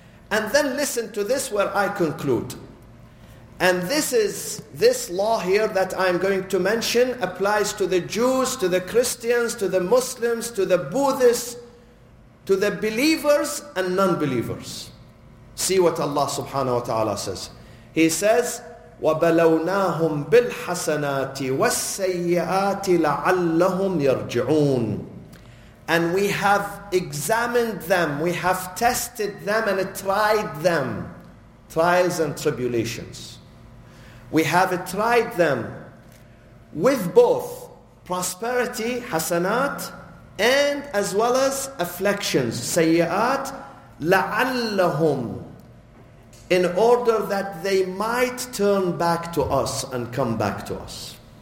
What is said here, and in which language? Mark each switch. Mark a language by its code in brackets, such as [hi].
[en] And then listen to this where I conclude. And this is, this law here that I'm going to mention applies to the Jews, to the Christians, to the Muslims, to the Buddhists, to the believers and non-believers. See what Allah subhanahu wa ta'ala says. He says, [ar] وَبَلَوْنَاهُمْ بِالْحَسَنَاتِ وَالسَّيِّئَاتِ لَعَلَّهُمْ يَرْجِعُونَ. [en] And we have examined them, we have tested them and tried them. Trials and tribulations. We have tried them with both prosperity, hasanat, and as well as afflictions, sayyat, la'allahum, in order that they might turn back to us and come back to us.